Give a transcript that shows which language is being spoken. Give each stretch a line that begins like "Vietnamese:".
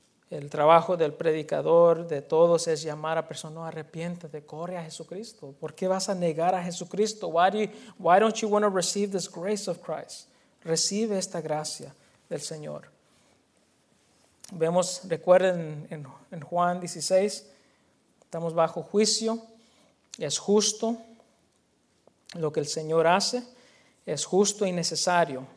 Spanish: El trabajo del predicador, de todos, es llamar a personas, arrepiéntete, corre a Jesucristo. ¿Por qué vas a negar a Jesucristo?
English: Why don't you want to receive this grace of Christ?
Spanish: Recibe esta gracia del Señor. Vemos, recuerden en Juan 16, estamos bajo juicio, es justo lo que el Señor hace, es justo y necesario.